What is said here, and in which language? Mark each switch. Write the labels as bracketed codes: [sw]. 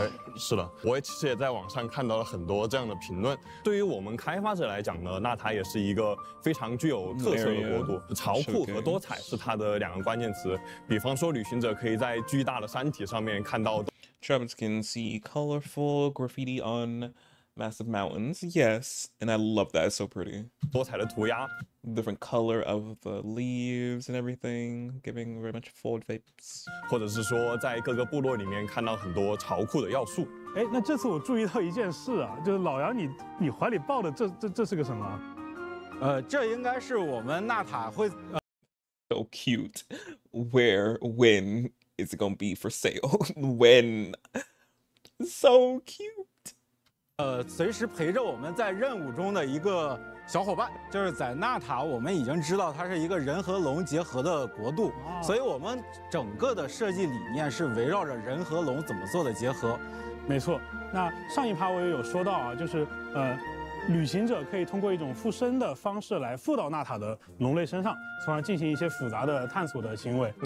[zh] 哎，是的，我也其实也在网上看到了很多这样的评论。对于我们开发者来讲呢，纳塔也是一个非常具有特色的国度，潮酷和多彩是它的两个关键词。比方说，旅行者可以在巨大的山体上面看到 [en] ，Travelers can see colorful graffiti on massive mountains. Yes, and I love that. It's so pretty. [zh] 多彩的涂鸦。 [en] Different color of the leaves and everything, giving very much forward vapes. [zh] 或者是说在各个部落里面看到很多潮酷的要素。哎，那这次我注意到一件事啊，就是老杨你怀里抱的这是个什么？这应该是我们纳塔会。 [en] So cute. Where, when is it gonna be for sale? When? So cute. [zh] 随时陪着我们在任务中的一个。小伙伴，就是在纳塔，我们已经知道它是一个人和龙结合的国度，所以我们整个的设计理念是围绕着人和龙怎么做的结合。没错，那上一趴我也有说到啊，就是旅行者可以通过一种附身的方式来附到纳塔的龙类身上，从而进行一些复杂的探索的行为。